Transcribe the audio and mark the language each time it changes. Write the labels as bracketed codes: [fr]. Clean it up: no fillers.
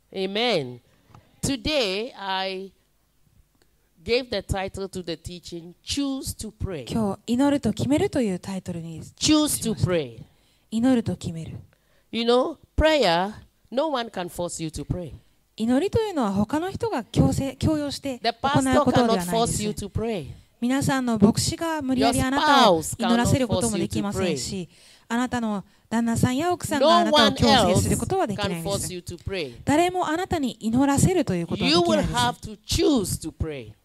[en] 今日Gave the title to the teaching, Choose to pray. [ja] 今日祈ると決めるというタイトルにしました。 [en] Choose to pray. [ja] 祈ると決める。 [en] You know, prayer, no one can force you to pray. [ja] 祈りというのは他の人が強要して行うことではないんです。皆さんの牧師が無理やりあなたを祈らせることもできませんし、あなたの旦那さんや奥さんがあなたを強制することはできないんです。誰もあなたに祈らせるということはできないんです。